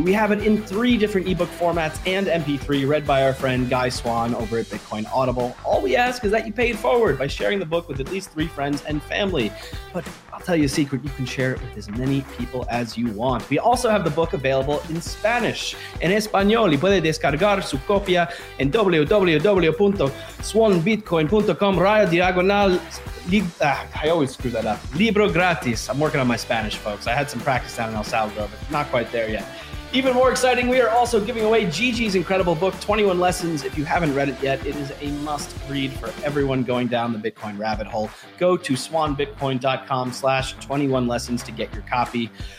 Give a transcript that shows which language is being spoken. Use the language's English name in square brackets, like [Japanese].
[English] We have it in three different ebook formats and MP3, read by our friend Guy Swan over at Bitcoin Audible. All we ask is that you pay it forward by sharing the book with at least three friends and family. But I'll tell you a secret, you can share it with as many people as you want. We also have the book available in Spanish. [Spanish] En español, y puede descargar su copia en www.swanbitcoin.com/libro gratis. Libro gratis. [English] I'm working on my Spanish, folks. I had some practice down in El Salvador, but not quite there yet. Even more exciting, we are also giving away Gigi's incredible book, 21 Lessons. If you haven't read it yet, it is a must read for everyone going down the Bitcoin rabbit hole. Go to swanbitcoin.com/21lessons to get your copy.